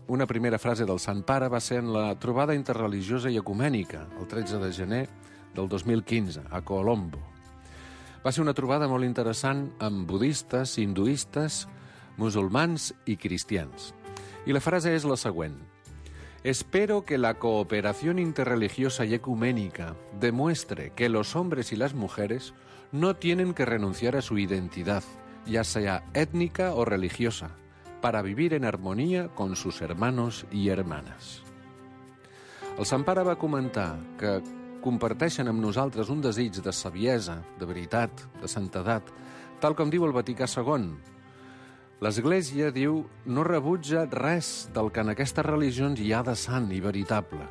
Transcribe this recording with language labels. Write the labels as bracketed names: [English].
[Catalan] Una primera frase del Sant Pare va ser en la trobada interreligiosa i ecumènica el 13 de gener del 2015 a Colombo. Va ser una trobada molt interessant amb budistes, hinduistes, musulmans i cristians. I la frase és la següent. [Spanish] Espero que la cooperación interreligiosa y ecuménica demuestre que los hombres y las mujeres no tienen que renunciar a su identidad, ya sea étnica o religiosa, para vivir en armonía con sus hermanos y hermanas. [Catalan] El Sant Pare va comentar que comparteixen amb nosaltres un desig de saviesa, de veritat, de santedat, tal com diu el Vaticà II. L'Església, diu, no rebutja res del que en aquestes religions hi ha de sant i veritable.